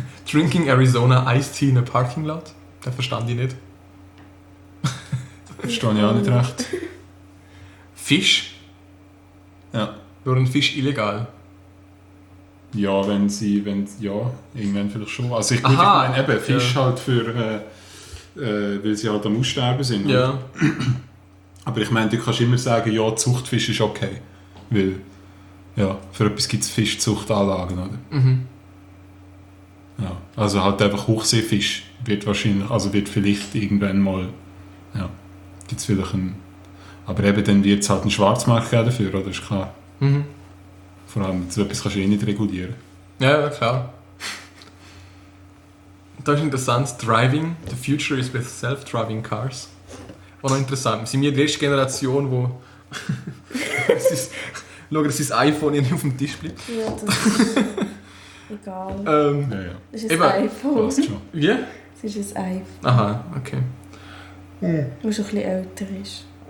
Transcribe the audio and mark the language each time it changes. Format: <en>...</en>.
<en>Drinking Arizona Iced Tea in a Parking Lot.</en> <de>Das verstand ich nicht. Verstand ich auch nicht recht. Fisch? Ja. Wäre ein Fisch illegal? Ja, irgendwann vielleicht schon. Also ich meine, eben, Fisch halt für, weil sie halt am Aussterben sind. Ja. Aber ich meine, du kannst immer sagen, ja, Zuchtfisch ist okay. Weil, ja, für etwas gibt es Fischzuchtanlagen, oder? Mhm. Ja, also halt einfach Hochseefisch wird wahrscheinlich, also wird vielleicht irgendwann mal, ja, gibt es vielleicht ein, aber eben, dann wird es halt einen Schwarzmarkt dafür, oder? Ist klar. Mhm. Vor allem, so etwas kannst du eh nicht regulieren. Ja, klar. Das ist interessant. Driving.</de> <en>The future is with self-driving cars.</en> <de>Auch noch interessant. Sind wir die erste Generation, wo... schaut, dass sein iPhone nicht auf dem Tisch bleibt. Ja, das ist egal. Ja, ja. Das ist ein iPhone. Wie? Das ist ein iPhone. Aha, okay. Wo schon ein bisschen älter ist.</de>